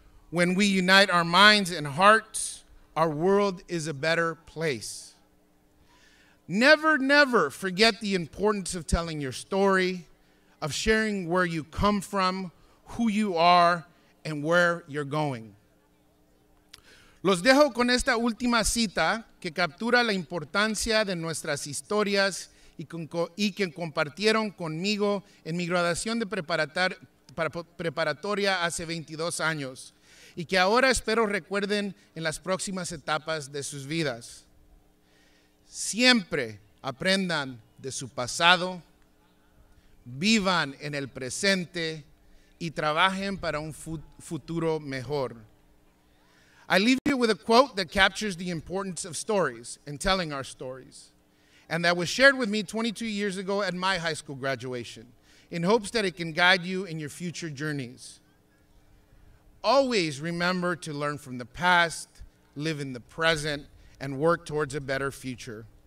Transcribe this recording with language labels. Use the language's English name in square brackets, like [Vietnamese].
[English] When we unite our minds and hearts, our world is a better place. Never, never forget the importance of telling your story, of sharing where you come from, who you are, and where you're going. [Spanish] Los dejo con esta última cita que captura la importancia de nuestras historias y que compartieron conmigo en mi graduación de preparatoria hace 22 años y que ahora espero recuerden en las próximas etapas de sus vidas. Siempre aprendan de su pasado, vivan en el presente y trabajen para un futuro mejor. [English] I leave you with a quote that captures the importance of stories and telling our stories, and that was shared with me 22 years ago at my high school graduation, in hopes that it can guide you in your future journeys. Always remember to learn from the past, live in the present, and work towards a better future.